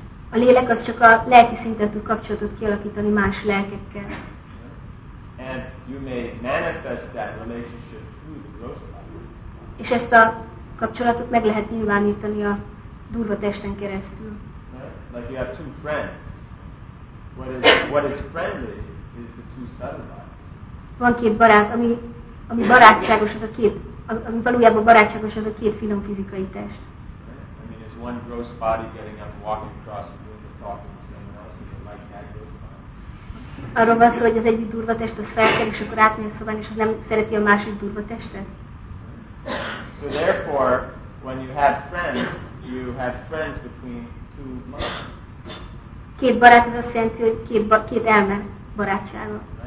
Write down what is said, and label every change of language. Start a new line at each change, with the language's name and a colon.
Hungarian: A lélek az csak a lelki szinten tud kapcsolatot kialakítani más lelkekkel.
English: And you may manifest that relationship through the gross body.
Hungarian: És ezt a kapcsolatot meg lehet nyilvánítani a durva testen keresztül.
English: Like you have two friends. What is friendly is the two subtle bodies.
Hungarian: Van két barát, ami barátságos az a két, ami valójában barátságos az a két finom fizikai test.
English: I mean, is one gross body getting up, walking across the room, and talking to someone else, and like that gross body?
Hungarian: Arról van szó, hogy az egyik durva test az felkel, és akkor átmegy a szobán, és az nem szereti a másik durva testet.
English: So therefore, when you have friends between two minds.
Hungarian: Két barát, ez azt jelenti, hogy két elme barátsága.